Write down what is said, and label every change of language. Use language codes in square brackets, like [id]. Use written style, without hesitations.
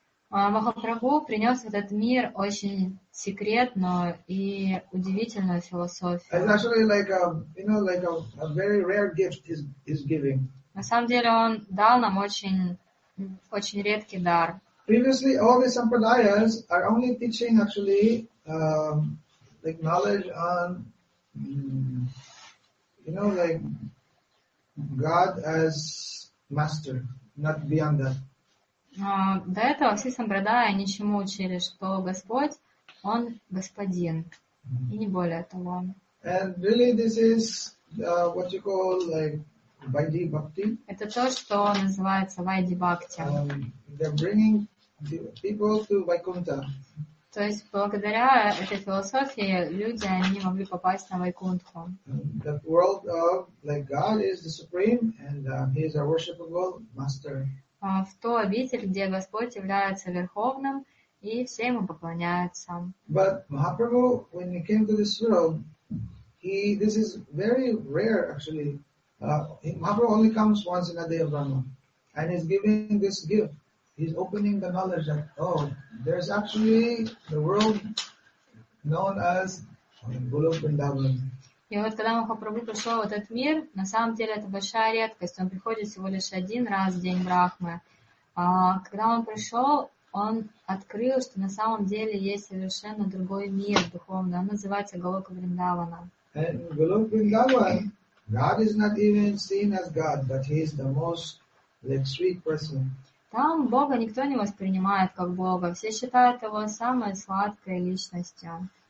[ru] Махапрабху принес в этот мир очень секретную и удивительную философию. [en] It's actually a very rare gift is giving. [ru] На самом деле он дал нам очень редкий дар. [en] Previously, all the sampradayas are only teaching knowledge on God as master, not beyond that. [ru] До этого все сампрадаи ничему учили, что Господь, Он Господин, и не более того. [en] And really this is what you call Vaidhi Bhakti. [ru] Это то, что называется Vaidhi Bhakti. [en] They're bringing people to Vaikuntha. [ru] То есть благодаря этой философии люди, они могли попасть на Вайкунтху. [en] The world of God is the supreme and He is a worshipable master. [ru] В ту обитель, где Господь является Верховным, и все Ему поклоняются. [en] But Mahaprabhu, when he came to this world, this is very rare, actually. Mahaprabhu only comes once in a day of Brahma. And he's giving this gift. He's opening the knowledge that, there's actually the world known as Golok Vrindavan. [ru] И вот когда Махапрабху пришел в этот мир, на самом деле это большая редкость. Он приходит всего лишь один раз в день Брахмы. А когда он пришел, он открыл, что на самом деле есть совершенно другой мир духовный. Он называется Голока Вриндавана. [en] And Golok Vrindavan, God is not even seen as God, but He is the most sweet person. [ru] Там Бога никто не воспринимает как Бога. Все считают Его самой сладкой личностью.